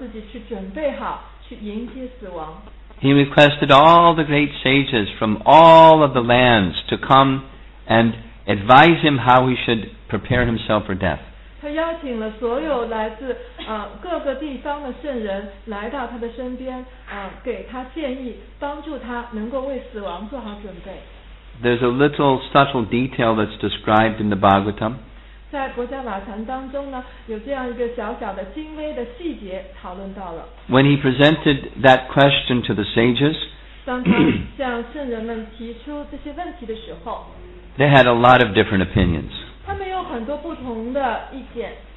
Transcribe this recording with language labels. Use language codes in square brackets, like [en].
[zh] 他去到了圣河旁边，让自己去准备好去迎接死亡。 [en] He requested all the great sages from all of the lands to come and advise him how he should prepare himself for death. [zh] 他邀请了所有来自各个地方的圣人来到他的身边，给他建议，帮助他能够为死亡做好准备。 [en] There's a little subtle detail that's described in the Bhagavatam. [zh] 在国家瓦禅当中呢，有这样一个小小的精微的细节讨论到了。 [en] When he presented that question to the sages, [zh] 当他向圣人们提出这些问题的时候， [en] they had a lot of different opinions. [zh] 他们有很多不同的意见。